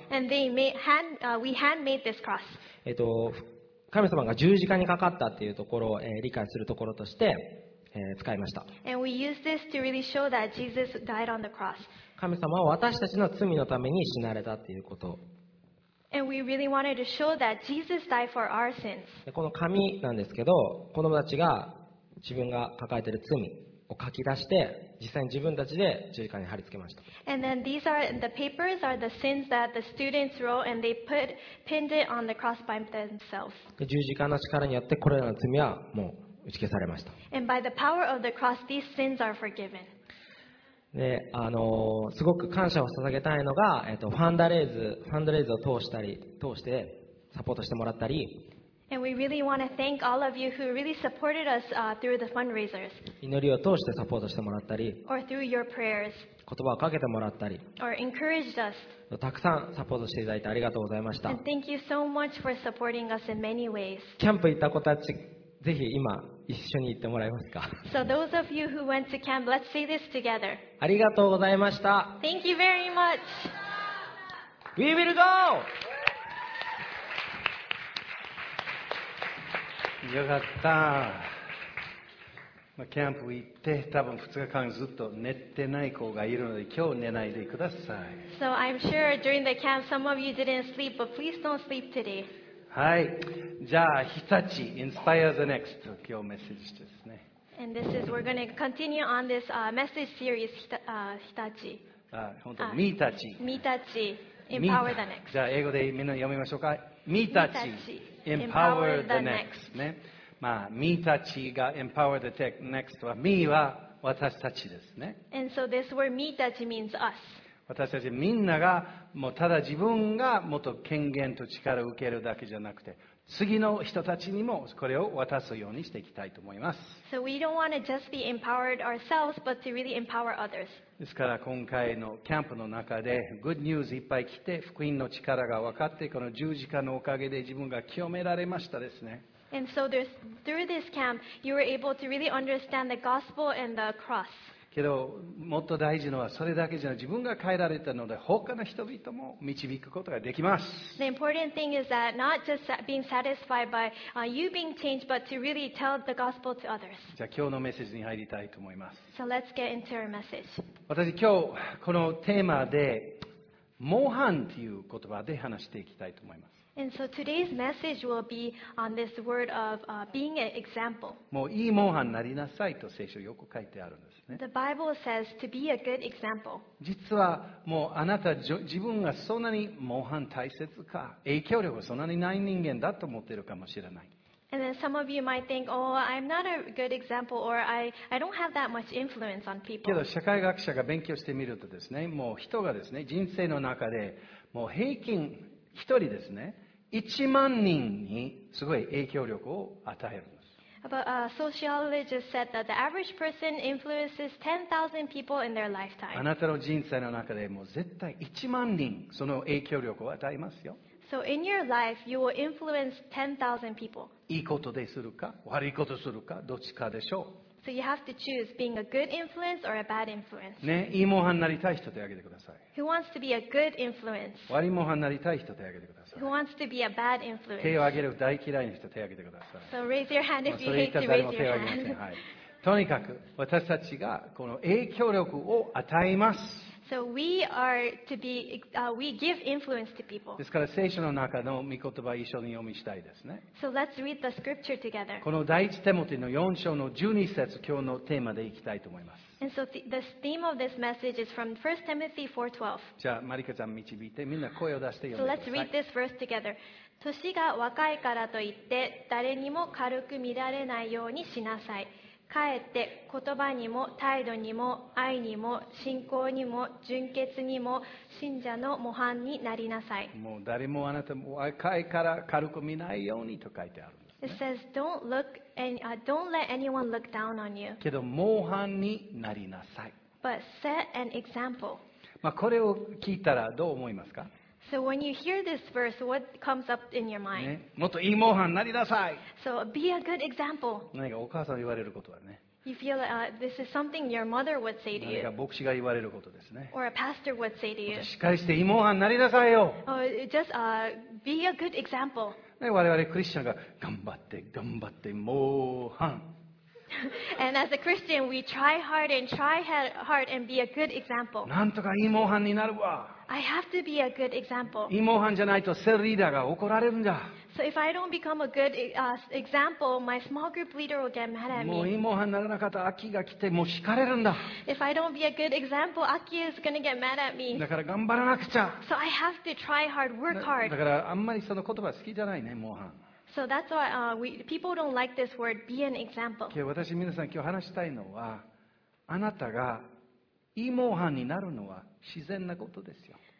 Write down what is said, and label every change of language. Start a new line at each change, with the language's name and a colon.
English: And they made hand, we handmade this cross.
Japanese: 神様が十字架にかかったっていうところを、理解するところとして、使いました。
English: And we use this to really show that Jesus died on the cross.
Japanese: 神様は私たちの罪のために死なれたということ。
English: And we really wanted to show that Jesus died for our sins.
Japanese: この紙なんですけど、子供たちが自分が抱えている罪を書き出して、実際に自分たちで十字架に貼り付けました。
English: And then these are the papers are the sins that the students wrote and they put pinned it on the cross by themselves.
Japanese: 十字架の力によってこれらの罪はもう打ち消されました。
English: And by the power of the cross, these sins are forgiven.
Japanese: で、すごく感謝を捧げたいのが、ファンダレイズを通してサポートしてもらったり。
English: And we really want to thank all of you who really supported us through the fundraisers.
Japanese: 祈りを通してサポートしてもらったり、
English: or through your prayers.
Japanese: 言葉をかけてもらったり、
English: or encouraged us.
Japanese: たくさんサポートしていただいてありがとうございました。
English: And thank you so much for supporting us in many ways.
Japanese: キャンプ行った子たち、ぜひ今一緒に行ってもらえますか。
English: So those of you who went to camp, let's say this together.
Japanese: ありがとうございました。
English: Thank you very much. We will go!
Japanese: よかった、キャンプ行って多分2日間ずっと寝てない子がいるので今日寝ないでください。
English: So I'm sure during the camp some of you didn't sleep but please don't sleep today.
Japanese: はい、じゃあ日立 Inspire the Next 今日メッセージですね。
English: And this is we're going to continue on this message series 日立
Japanese: みたち
English: Empower the Next。
Japanese: じゃあ英語でみんな読みましょうか。みたち
English: Empower the next.
Japanese: ね。まあ、me たちが empower the next は、me は私たちですね。
English: And so this word me たち means us.
Japanese: 私たちみんなが、もうただ自分がもっと権限と力を受けるだけじゃなくて、次の人たちにもこれを渡すようにしていきたいと思います。
English: So we don't want to just be empowered ourselves, but to really empower others.
Japanese: ですから今回のキャンプの中で、グッドニュースいっぱい来て、福音の力が分かって、この十字架のおかげで自分が清められましたですね。
English: And so through this camp, you were able to really understand the gospel and the cross.
Japanese: けどもっと大事のはそれだけじゃなく自分が変えられたので他の人々も導くことができます。
English: The important thing is that not just being satisfied by you being changed but to really tell the gospel to others.
Japanese: じゃあ今日のメッセージに入りたいと思います。
English: So let's get into our message.
Japanese: 私今日このテーマで模範という言葉で話していきたいと思います。
English: And so today's message will be on this word of being an example.
Japanese: もういい模範になりなさいと聖書よく書いてあるんです。
English: The Bible says to be a good example.
Japanese: 実はもうあなた自分がそんなに模範大切か、影響力がそんなにない人間だと思っているかもしれない。
English: And then some of you might think, oh, I'm not a good example, or I don't have that much influence on people.
Japanese: けど社会学者が勉強してみるとですね、もう人がですね、人生の中でもう平均一人ですね、1万人にすごい影響力を与えるんです。
English: But a sociologist said that the average person influences 10,000 people in their lifetime.
Japanese: あなたの人生の中でも絶対1万人その影響力を与えますよ。
English: So in your life, you will influence 10,000 people.
Japanese: いいことでするか、悪いことするか、どっちかでしょう。
English: So you have to choose being a good influence or a bad influence.
Japanese: ね、いい模範になりたい人手挙げてください。
English: Who wants to be a good influence?
Japanese: 悪い模範になりたい人手挙げてください。
English: Who wants to be a bad influence?
Japanese: 手を挙げる大嫌いな人手挙げてください。
English: So raise your hand if you hate to raise your hand.
Japanese: はい。とにかく私たちがこの影響力を与えます。
English: So we are to be, we give influence to people.
Japanese: ですから聖書の中の御言葉を一緒に読みしたいですね。
English: So let's read the scripture together.
Japanese: この第一テモテの4章の12節、今日のテーマでいきたいと思います。
English: And so the theme of this message is from 1 Timothy 4:12.
Japanese: じゃあマリカちゃん導いて、みんな声を出して読んでください。
English: So let's read this verse together.
Japanese: 年が若いからといって誰にも軽く見られないようにしなさい。かえって言葉にも態度にも愛にも信仰にも純潔にも信者の模範になりなさい。もう誰もあなたも若いから軽く見ないようにと書いてあるんですね。
English: It says, don't let anyone look down on you.
Japanese: けど模範になりなさい。
English: But set an example.
Japanese: まあこれを聞いたらどう思いますか？
English: So when you hear this verse, what comes up in your mind?
Japanese: ね、もっといい模範になりなさい。
English: So be a good example.
Japanese: 何かお母さん言われることはね。
English: You feel like, this is something your mother would say to you.
Japanese: 何か牧師が言われることですね。
English: Or a pastor would say to you.
Japanese: しっかりしていい模範になりなさいよ。
English: Just be a good example.
Japanese: ね、我々クリスチャンが頑張って頑張って模範。
English: And as a Christian, we try hard and try hard and be a good example.
Japanese: なんとかいい模範になるわ。
English: I have to be a good example.
Japanese: いい模範じゃないとセルリーダーが怒られるんだ。
English: So if I don't become a good example, my small group leader will get mad at me.
Japanese: もういい模範にならなかったらアキが来てもう叱れるんだ。
English: If I don't be a good example, Aki is gonna get mad at me.
Japanese: だから頑張らなくちゃ。
English: So I have to try hard, work hard.
Japanese: だからあんまりその言葉好きじゃないね、模範。
English: So that's why people don't like this word, be an example.
Japanese: 今日私皆さん今日話したいのは、あなたがいい模範になるのは自然なことですよ。